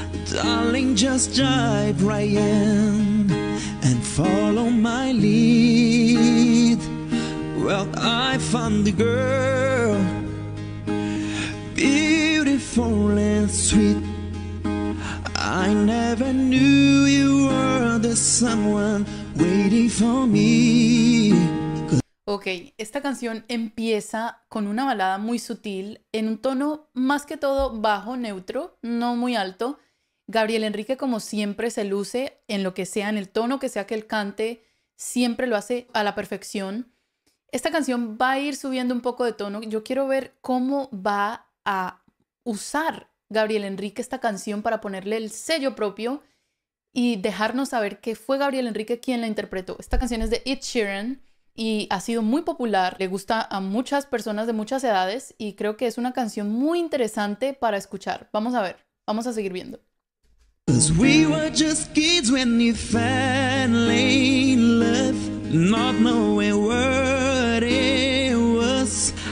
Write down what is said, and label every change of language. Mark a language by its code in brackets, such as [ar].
[en] Darling, just dive right in and follow my lead. Well, I found the girl, beautiful and sweet. I never knew you were the someone waiting for me. [es] Ok, esta canción empieza con una balada muy sutil, en un tono más que todo bajo, neutro, no muy alto. Gabriel Enrique, como siempre, se luce en lo que sea, en el tono que sea que él cante, siempre lo hace a la perfección. Esta canción va a ir subiendo un poco de tono. Yo quiero ver cómo va a usar Gabriel Enrique esta canción para ponerle el sello propio y dejarnos saber que fue Gabriel Enrique quien la interpretó. Esta canción es de Ed Sheeran y ha sido muy popular. Le gusta a muchas personas de muchas edades y creo que es una canción muy interesante para escuchar. Vamos a ver, vamos a seguir viendo. [en] Cause we were just kids when you fell in love, not knowing what it was.